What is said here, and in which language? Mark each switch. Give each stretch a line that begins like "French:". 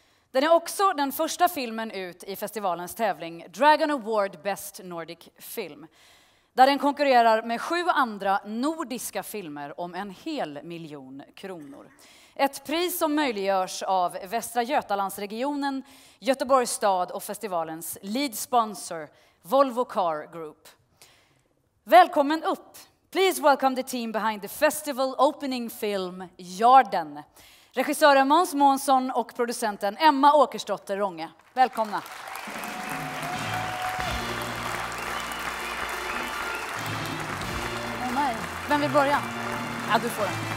Swedish: Den är också den första filmen ut i festivalens tävling Dragon Award Best Nordic Film, där den konkurrerar med 7 andra nordiska filmer om 1 miljon kronor. Ett pris som möjliggörs av Västra Götalandsregionen, Göteborgs stad och festivalens lead sponsor, Volvo Car Group. Välkommen upp!
English: Please welcome the team behind the festival opening film, Yarden.
Swedish: Regissören Måns Månsson och producenten Emma Åkerstotter Ronge. Välkomna! Mm. Vem vill börja? Ja, du får den.